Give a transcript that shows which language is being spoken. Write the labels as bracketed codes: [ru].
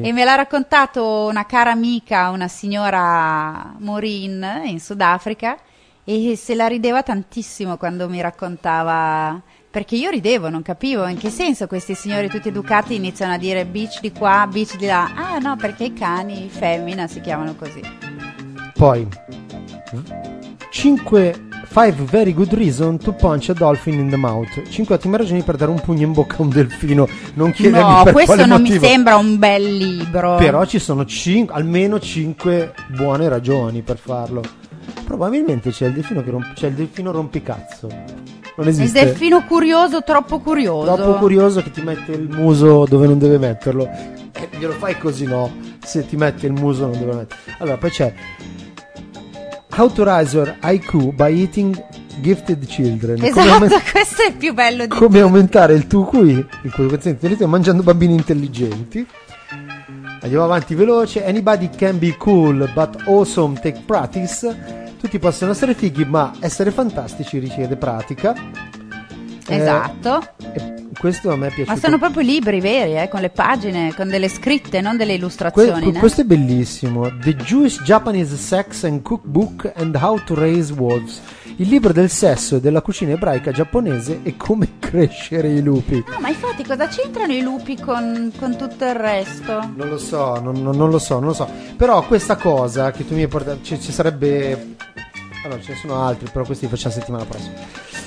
[it] E me l'ha raccontato una cara amica, una signora Maureen, in Sudafrica, e se la rideva tantissimo quando mi raccontava, perché io ridevo, non capivo in che senso questi signori tutti educati iniziano a dire bitch di qua, bitch di là. Ah no, perché i cani femmina si chiamano così. [en] Poi 5 very good reason to punch a dolphin in the mouth. [it] 5 ottime ragioni per dare un pugno in bocca a un delfino. Non chiedermi no, per quale motivo. No, questo non mi sembra un bel libro. Però ci sono almeno 5 buone ragioni per farlo. Probabilmente c'è il delfino che c'è il delfino rompicazzo. Non esiste. Il delfino curioso, troppo curioso. Troppo curioso che ti mette il muso dove non deve metterlo. Che glielo fai così, no? Se ti mette il muso non deve metterlo. Allora, poi c'è [en] How to raise your IQ by eating gifted children. [it] Esatto, questo è il più bello di come tutti. Aumentare il tuo QI, il coefficiente intelligente, mangiando bambini intelligenti. Andiamo avanti veloce. [en] Anybody can be cool but awesome take practice. [it] Tutti possono essere fighi, ma essere fantastici richiede pratica. Esatto. Questo a me piace. Ma sono proprio libri veri, con le pagine, con delle scritte, non delle illustrazioni. Questo è bellissimo. [en] The Jewish Japanese Sex and Cookbook and How to Raise Wolves. [it] Il libro del sesso e della cucina ebraica giapponese e come crescere i lupi. No, ma infatti cosa c'entrano i lupi con tutto il resto? Non lo so, non lo so. Però questa cosa che tu mi hai portato, ci sarebbe... Allora, ce ne sono altri, però questi li facciamo settimana prossima.